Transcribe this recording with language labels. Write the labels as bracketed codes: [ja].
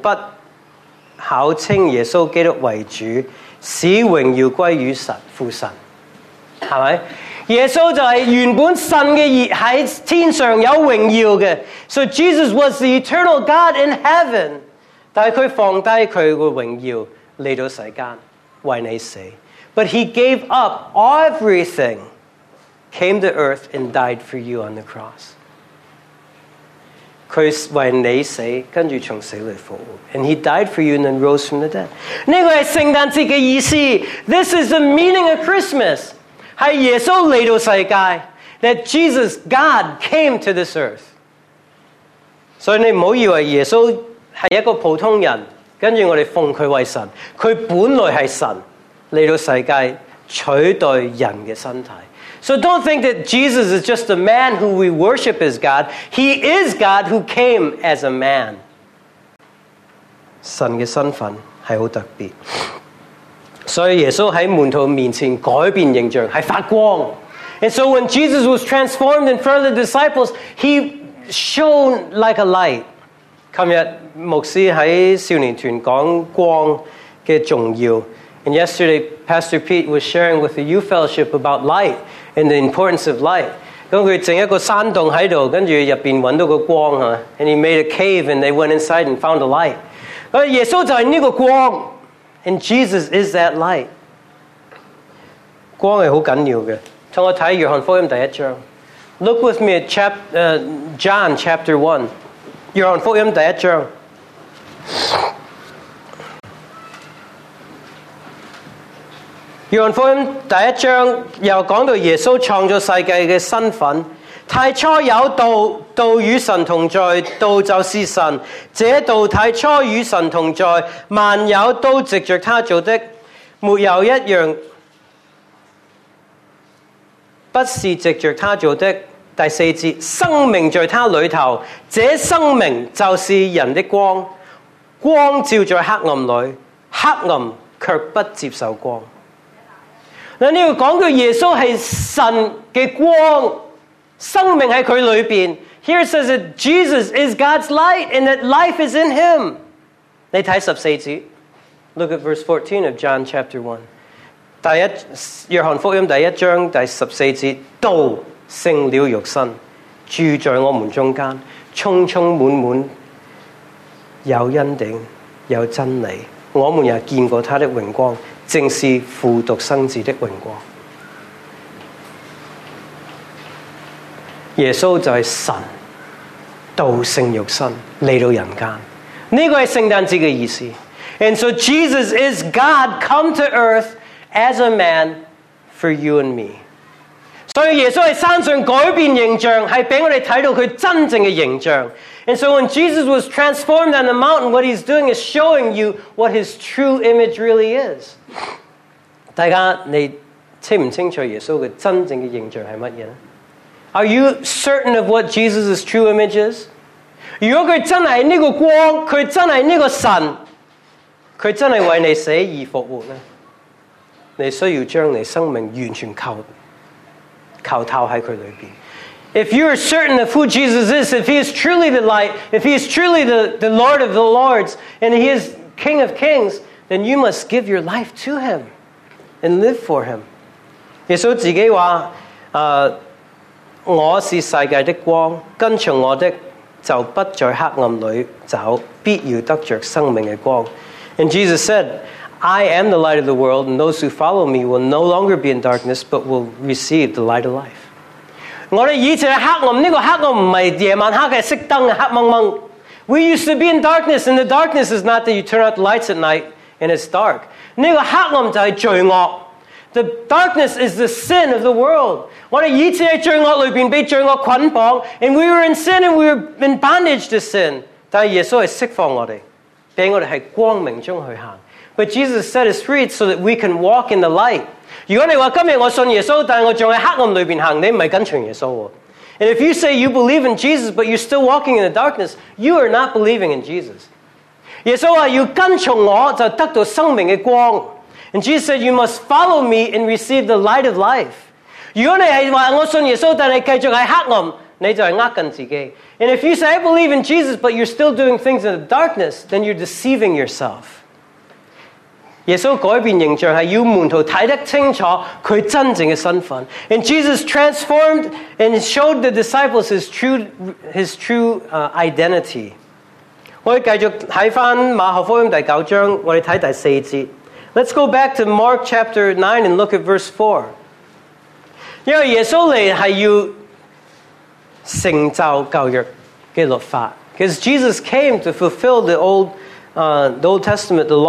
[zh] 就自己卑微，全心顺服，以至于死，且死在十字架上。所以神将他升为至高，又赐给他那超乎万名之上的名，叫一切在天上的、地上的和地底下的，都因耶稣的名，无不屈膝，无不考称耶稣基督为主，使荣耀归于父神。是吧?耶稣就是原本神的在天上有荣耀的 [en] So Jesus was the eternal God in heaven [zh] 但他放低他的荣耀来到世间为你死 [en] But he gave up everything Came to earth and died for you on the cross [zh] 他为你死跟着从死里复活 [en] And he died for you and then rose from the dead [zh] 这个是圣诞节的意思 [en] This is the meaning of Christmas [zh] 在耶稣来到世界 [en] that Jesus, God, came to this earth. [zh] 所以你不要以为耶稣是一个普通人跟着我们奉他为神他本来是神来到世界取代人的身体。 [en] So don't think that Jesus is just a man who we worship as God. He is God who came as a man. [zh] 神的身份是很特别。所以耶稣在门徒面前改变形象，是发光。 [en] And so when Jesus was transformed in front of the disciples, he shone like a light. [zh] 今天牧师在少年团讲光的重要。 [en] And yesterday, Pastor Pete was sharing with the youth fellowship about light and the importance of light. [zh] 他整一个山洞在这里，跟着里面找到个光。 [en] And he made a cave and they went inside and found a light. [zh] 耶稣就是这个光。 [en] And Jesus is that light. [zh] 光是很重要的。同我看约翰福音第一章。 [en] Look with me at John chapter 1. [zh] 约翰福音第一章。约翰福音第一章又讲到耶稣创造世界的身份。太初有道，道与神同在，道就是神。这道太初与神同在，万有都藉着他做的，没有一样不是藉着他做的。第四节，生命在他里头，这生命就是人的光，光照在黑暗里，黑暗却不接受光。那你要讲到耶稣是神的光。生命在他里面 [en] Here it says that Jesus is God's light and that life is in him. [zh] 你看十四节 [en] Look at verse 14 of John chapter 1. [zh] 第一约翰福音第一章第十四节道成了肉身住在我们中间充充满满有恩典有真理我们也见过他的荣光正是父独生子的荣光耶稣就是神道成肉身来到人间这个是圣诞节的意思 [en] And so Jesus is God come to earth as a man for you and me [zh] 所以耶稣在山上改变形象是给我们看到他真正的形象 [en] And so when Jesus was transformed on the mountain what he's doing is showing you what his true image really is [zh] 大家你清不清楚耶稣的真正的形象是什么呢 [en] Are you certain of what Jesus' true image is? [zh] 如果他真的是这个光，他真的是这个神，他真的为你死而复活呢？你需要将你生命完全靠透在他里面。 [en] If you are certain of who Jesus is, if he is truly the light, if he is truly the Lord of the Lords, and he is King of Kings, then you must give your life to him and live for him. [zh] 耶稣自己说我是世界的光，跟随我的就不在黑暗里走，必要得着生命的光。 [en] And Jesus said, I am the light of the world, and those who follow me will no longer be in darkness, but will receive the light of life. [zh] 我们以前是黑暗，这个黑暗不是夜晚黑的熄灯，黑蒙蒙。 [en] We used to be in darkness, and the darkness is not that you turn out the lights at night and it's dark. [zh] 这个黑暗就是罪恶。 [en] The darkness is the sin of the world. [zh] 我们以前在罪恶里面被罪恶捆绑 [en] and we were in sin and we were in bondage to sin. [zh] 但耶稣是释放我们给我们在光明中去行 [en] But Jesus set us free so that we can walk in the light. [zh] 如果你说今天我信耶稣但我还在黑暗里面行你不是跟随耶稣 [en] And if you say you believe in Jesus but you're still walking in the darkness, you are not believing in Jesus. [zh] 耶稣说要跟随我就得到生命的光 [en] And Jesus said, you must follow me and receive the light of life. [zh] 如果你是说我信耶稣但你继续在黑暗你就是骗自己。 [en] And if you say, I believe in Jesus, but you're still doing things in the darkness, then you're deceiving yourself. [zh] 耶稣改变形象是要门徒看得清楚他真正的身份。 [en] And Jesus transformed and showed the disciples his true identity. [zh] 我们继续看回马可福音第九章，我们看第四节。 [en] Let's go back to Mark chapter 9 and look at verse 4. [zh] 因为耶稣来是要成就旧约的律法。 [en] Because Jesus came to fulfill the law of the Old Testament.